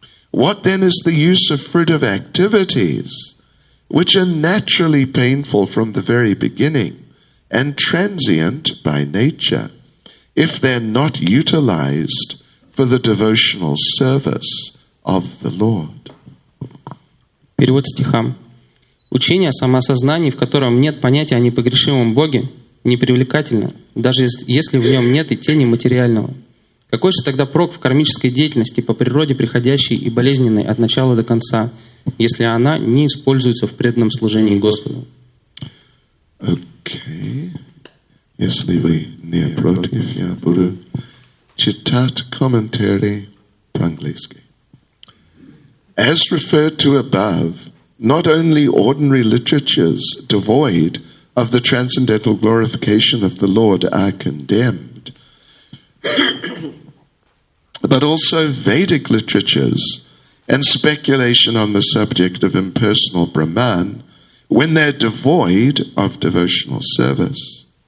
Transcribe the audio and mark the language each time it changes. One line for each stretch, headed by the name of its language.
English: What then is the use of fruitive activities, which are naturally painful from the very beginning and transient by nature, if they're not utilized for the devotional service of the Lord?
Russian: Перевод стиха. Учение о самоосознании, в котором нет понятия о непогрешимом Боге, непривлекательно, даже если в нем нет и тени материального. Какой же тогда прок в кармической деятельности по природе приходящей и болезненной от начала до конца, если она не используется в преданном служении Господу?
English: Okay.
Russian: Если вы не против, я буду читать комментарий по-английски.
English: As referred to above, not only ordinary literatures devoid of the transcendental glorification of the Lord are condemned, but also Vedic literatures and speculation on the subject of impersonal Brahman when they're devoid of devotional service.